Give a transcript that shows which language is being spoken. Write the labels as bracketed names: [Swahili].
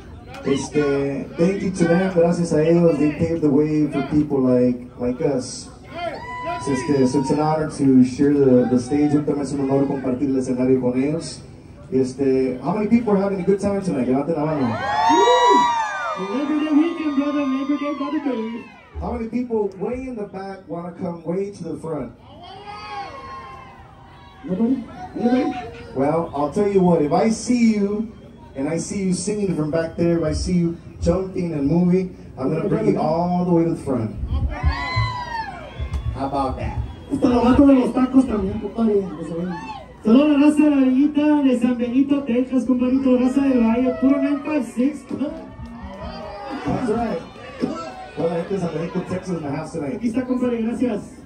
[English] Thank you to them, [Spanish] gracias a ellos, [English] they paved the way for people like us. So it's an honor to share the stage with them. [Spanish] Es un honor compartir el escenario con ellos. [English] How many people are having a good time tonight? [Spanish] Levanten la mano. [English] Labor Day weekend, brother. Labor Day, brother. How many people way in the back want to come way to the front? Nobody? Well, I'll tell you what. If I see you, and I see you singing from back there, if I see you jumping and moving, I'm going to bring you all the way to the front. How about that? [Spanish] Esto lo mato de los tacos también, compadre. Toda la raza de Arellita, de San Benito, Texas, compadrito, raza de Valle, puro 956. [English] That's right. [Spanish] Toda la gente de San Benito, Texas, en la [English] house tonight. [Spanish] Aquí está, compadre, gracias.